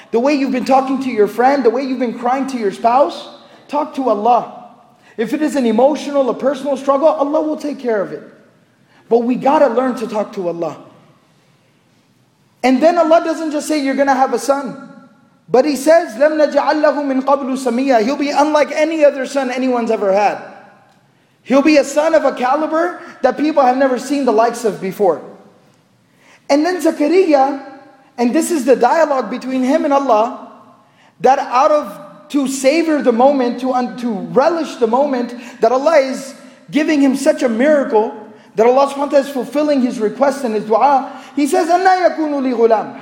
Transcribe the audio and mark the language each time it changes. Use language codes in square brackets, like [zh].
[en] The way you've been talking to your friend, the way you've been crying to your spouse, talk to Allah. If it is an emotional, a personal struggle, Allah will take care of it. But we gotta learn to talk to Allah. And then Allah doesn't just say you're gonna have a son. But He says, [ar] لَمْ نَجْعَلْ لَهُ مِنْ قَبْلُ سَمِيَّا. [en] He'll be unlike any other son anyone's ever had. He'll be a son of a caliber that people have never seen the likes of before. And then Zakariya, and this is the dialogue between him and Allah, that out of, to savor the moment, to relish the moment, that Allah is giving him such a miracle, that Allah subhanahu wa ta'ala is fulfilling his request and his dua, he says, [ar] أَنَّا يَكُونُ لِي غُلَامٍ.